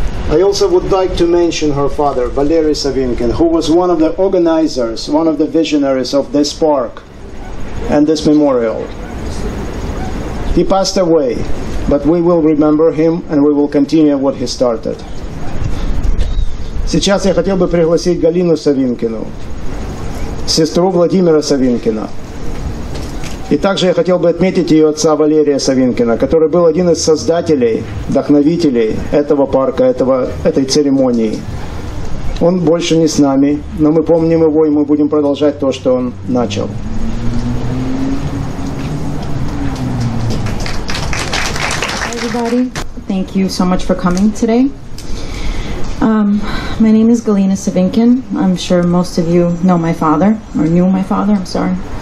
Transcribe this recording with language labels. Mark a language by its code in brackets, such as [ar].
[en] I also would like to mention her father, Valery Savinkin, who was one of the organizers, one of the visionaries of this park and this memorial. He passed away, but we will remember him and we will continue what he started. [ru] Сейчас я хотел бы пригласить Галину Савинкину, сестру Владимира Савинкина. И также я хотел бы отметить ее отца Валерия Савинкина, который был один из создателей, вдохновителей этого парка, этой церемонии. Он больше не с нами, но мы помним его и мы будем продолжать то, что он начал. [en] Everybody, thank you so much for coming today. My name is Galina Savinkin. I'm sure most of you know my father, or knew my father, I'm sorry.